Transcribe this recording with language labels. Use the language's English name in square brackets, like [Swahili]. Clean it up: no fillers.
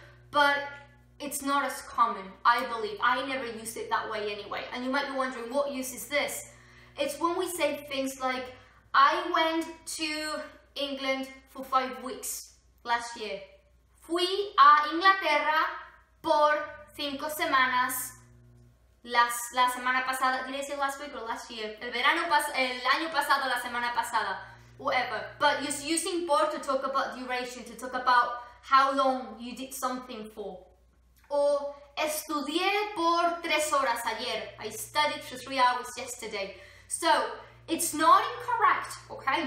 [English] But it's not as common, I believe. I never used it that way anyway. And you might be wondering, what use is this? It's when we say things like, I went to England for 5 weeks last year. [Spanish] Fui a Inglaterra por 5 semanas la semana pasada. [English] Did I say last week or last year? [Spanish] El año pasado, la semana pasada. [English] Whatever. But just using por to talk about duration, to talk about how long you did something for. [Spanish] Or, estudié por 3 horas ayer. [English] I studied for 3 hours yesterday. So, it's not incorrect, okay?